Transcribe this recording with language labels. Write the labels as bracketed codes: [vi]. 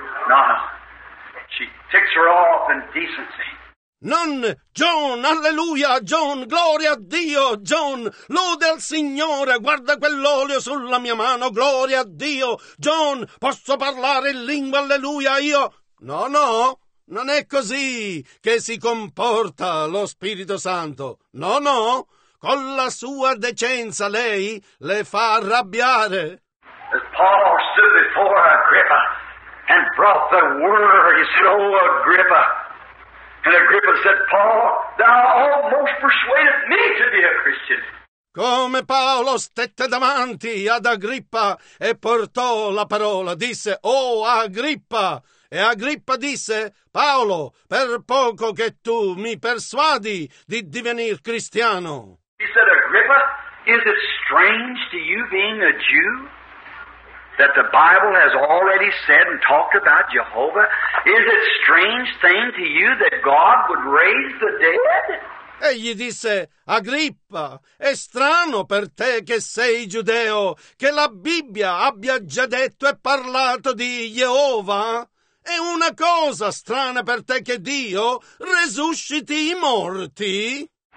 [en] No, no, she ticks her off in decency. [it] Non John, alleluia, John, gloria a Dio, John, lode al Signore, guarda quell'olio sulla mia mano, gloria a Dio, John, posso parlare in lingua, alleluia, io... No, no, non è così che si comporta lo Spirito Santo, no, no, con la sua decenza lei le fa arrabbiare. [en] As Paul stood before Agrippa and brought the word, he said, oh Agrippa, and Agrippa said, Paul, thou almost persuaded me to be a Christian. [it] Come Paolo stette davanti ad Agrippa e portò la parola, disse, oh Agrippa. E Agrippa disse, Paolo, per poco che tu mi persuadi di divenir cristiano. [en] He said, Agrippa, is it strange to you being a Jew that the Bible has already said and talked about Jehovah? Is it strange thing to you that God would raise the dead? [it] Egli disse, Agrippa, è strano per te che sei giudeo, che la Bibbia abbia già detto e parlato di Jehova? È una cosa strana per te che Dio resusciti i morti?